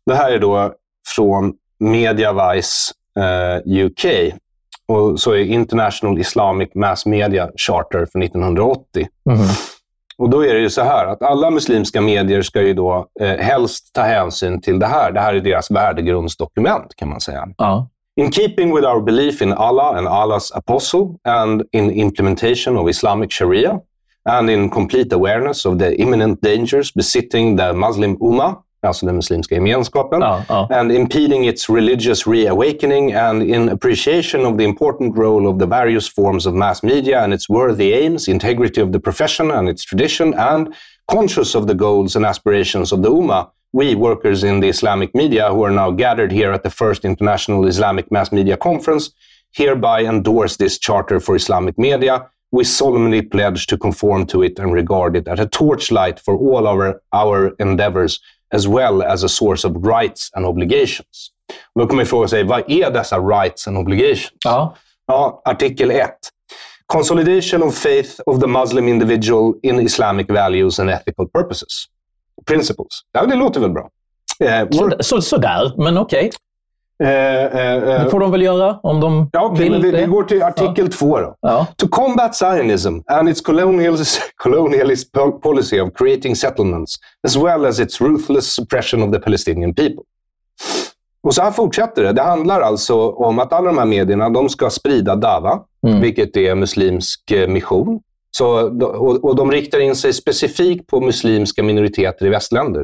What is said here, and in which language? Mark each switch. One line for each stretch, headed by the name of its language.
Swedish: Det här är då från MediaVice UK. Och så är International Islamic Mass Media Charter från 1980. Och då är det ju så här att alla muslimska medier ska ju då helst ta hänsyn till det här. Det här är deras värdegrundsdokument, kan man säga.
English: In keeping with our belief in Allah and Allah's apostle and in implementation of Islamic Sharia and in complete awareness of the imminent dangers besitting the Muslim Ummah,
Swedish: alltså den muslimska gemenskapen,
English: and impeding its religious reawakening, and in appreciation of the important role of the various forms of mass media and its worthy aims, integrity of the profession and its tradition, and conscious of the goals and aspirations of the Ummah, we workers in the Islamic media who are now gathered here at the first International Islamic Mass Media Conference hereby endorse this charter for Islamic media. We solemnly pledge to conform to it and regard it as a torchlight for all our endeavors, as well as a source of rights and obligations.
Swedish: Då kommer vi fråga sig, vad är dessa
English: rights and obligations?
Swedish: Ja. Ja, artikel 1.
English: Consolidation of faith of the Muslim individual in Islamic values and ethical purposes.
Swedish: Principles. Ja, det låter väl bra. Sådär, men okej. Det får de väl göra om de vill. Vi går till artikel 2 då. Ja.
English: To combat Zionism and its colonialist policy of creating settlements as well as its ruthless suppression of the Palestinian people.
Swedish: Och så här fortsätter det. Det handlar alltså om att alla de här medierna, de ska sprida Dawa, vilket är muslimsk mission. Så, och de riktar in sig specifikt på muslimska minoriteter i västländer.